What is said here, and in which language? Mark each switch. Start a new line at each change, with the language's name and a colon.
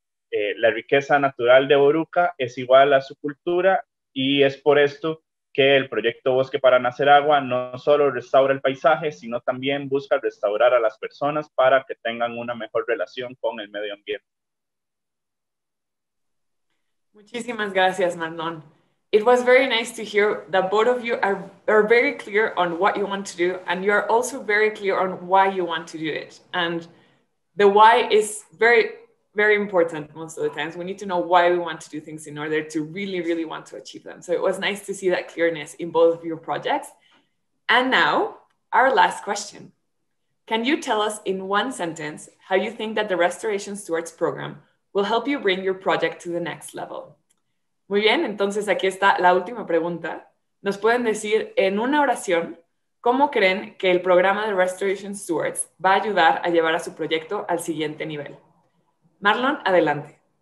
Spanish: La riqueza natural de Boruca es igual a su cultura, y es por esto que el proyecto Bosque para Nacer Agua no solo restaura el paisaje, sino también busca restaurar a las personas para que tengan una mejor relación con el medio ambiente. Muchísimas gracias, Marlon.
English: It was very nice to hear that both of you are very clear on what you want to do, and you are also very clear on why you want to do it. And the why is very, very important most of the times. We need to know why we want to do things in order to really, really want to achieve them. So it was nice to see that clearness in both of your projects. And now, our last question. Can you tell us in one sentence how you think that the Restoration Stewards program will help you bring your project to the next level?
Spanish: Muy bien, entonces aquí está la última pregunta. ¿Nos pueden decir en una oración cómo creen que el programa de Restoration Stewards va a ayudar a llevar a su proyecto al siguiente nivel? Marlon, adelante.